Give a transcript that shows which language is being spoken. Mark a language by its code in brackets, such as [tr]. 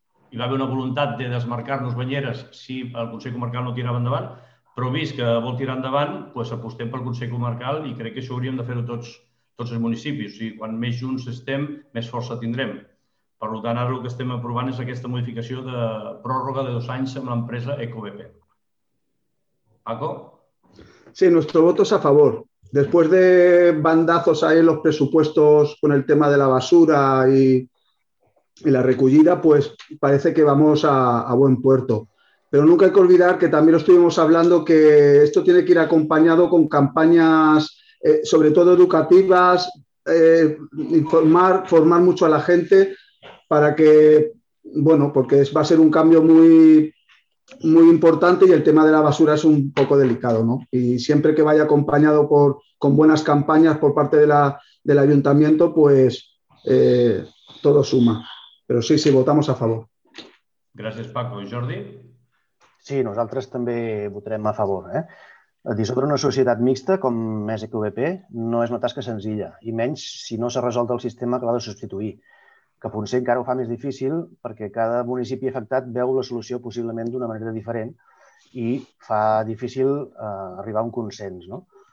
[ca] Hi va haver una voluntat de desmarcar-nos Banyeres si el Consell Comarcal no tirava endavant, però vist que vol tirar endavant, doncs apostem pel Consell Comarcal i crec que això hauríem de fer-ho tots els municipis. O sigui, quan més junts estem, més força tindrem. Per tant, ara el que estem aprovant és aquesta modificació de pròrroga de 2 anys amb l'empresa EcoBP. Paco? [es] Sí, nuestro voto es a favor. Después de bandazos ahí en los presupuestos con el tema de la basura y la recullida, pues parece que vamos a buen puerto. Pero nunca hay que olvidar que también lo estuvimos hablando, que esto tiene que ir acompañado con campañas, sobre todo educativas, formar mucho a la gente para que, bueno, porque va a ser un cambio muy... muy importante, y el tema de la basura es un poco delicado, ¿no? Y siempre que vaya acompañado con buenas campañas por parte del ayuntamiento, pues todo suma. Pero sí, votamos a favor. [ca] Gràcies, Paco. Jordi? Sí, nosaltres també votarem a favor. Dissoldre una societat mixta com és EcoBP no és una tasca senzilla, i menys si no s'ha resolt el sistema que l'ha de substituir. Que potser encara ho fa més difícil perquè cada municipi afectat veu la solució possiblement d'una manera diferent i fa difícil arribar a un consens. No?